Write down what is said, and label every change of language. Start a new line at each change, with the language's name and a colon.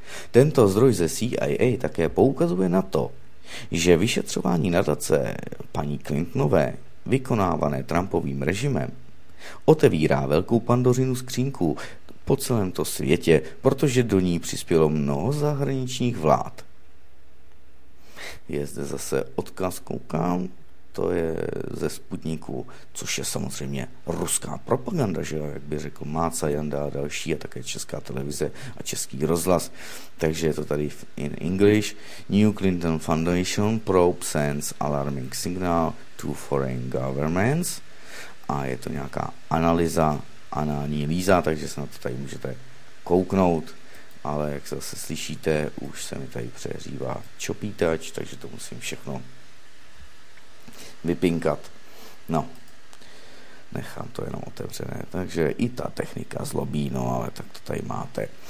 Czech: Tento zdroj ze CIA také poukazuje na to, že vyšetřování nadace paní Clintonové, vykonávané Trumpovým režimem, otevírá velkou pandořinu skřínku po celém to světě, protože do ní přispělo mnoho zahraničních vlád. Je zde zase odkaz, koukám, to je ze Sputniku, což je samozřejmě ruská propaganda, že jak by řekl Máca Janda a další a také Česká televize a Český rozhlas. Takže je to tady
English: in English. New Clinton Foundation probe sends alarming signal to foreign governments.
Czech: A je to nějaká analýza, anální líza, takže se na to tady můžete kouknout. Ale jak se zase slyšíte, už se mi tady přehřívá čopítač, takže to musím všechno vypinkat. No, nechám to jenom otevřené, takže i ta technika zlobí, no ale tak to tady máte.